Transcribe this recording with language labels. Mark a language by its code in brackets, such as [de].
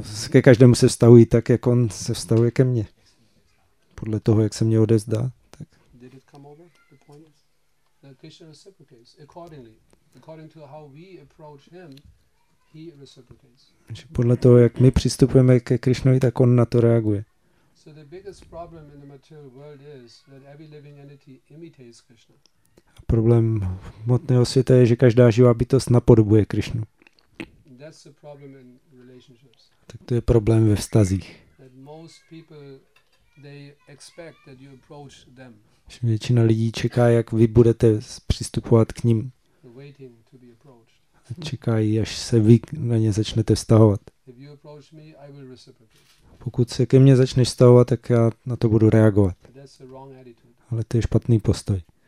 [cs] Ke každému se vztahují tak, jak on se vztahuje ke mně. Podle toho, jak se mě odezdá. Tak. [en] Did it come over, the point? The Krishna reciprocates accordingly. According to how we approach him, he reciprocates. [cs] Že podle toho, jak my přistupujeme ke Krishnovi, tak on na to reaguje. [en] So the biggest problem in the material world is that every living entity imitates Krishna. [cs] A problém hmotného světa je, že každá živá bytost napodobuje Krishnu. [en] That's the problem in relationships. [cs] Tak to je problém ve vztazích. [en] That most people, they expect that you approach them. [cs] Že většina lidí čeká, jak vy budete přistupovat k ním. [en] They're waiting to be approached. [cs] Čekají, až se vy na ně začnete vztahovat. [en] If you approach me, I will reciprocate. [cs] Pokud se ke mně začneš stavovat, tak já na to budu reagovat. Ale to je špatný postoj.